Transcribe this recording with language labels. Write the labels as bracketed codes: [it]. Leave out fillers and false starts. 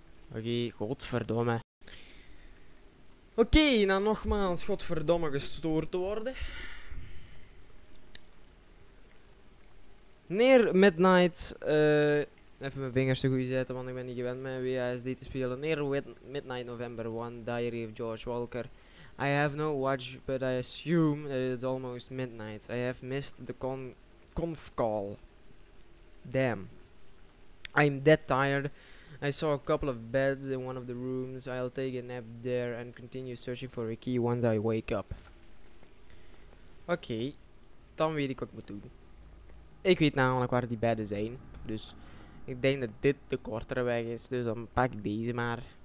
[nl] Oké, godverdomme. Oké, nou nogmaals, godverdomme, gestoord te worden. [en] Neer Midnight. [nl] Even mijn vingers te goed zetten, want ik ben niet gewend met WASD te spelen. [en] Neer Midnight November 1, Diary of George Walker. I have no watch, but I assume that it's almost midnight. I have missed the conf call. Damn. I'm dead tired. I saw a couple of beds in one of the rooms. I'll take a nap there and continue searching for a key once I wake up. Okay. [nl] Dan weet ik wat ik moet doen. Ik weet namelijk waar die bedden zijn. Dus ik denk dat dit de kortere weg is. Dus dan pak ik deze maar.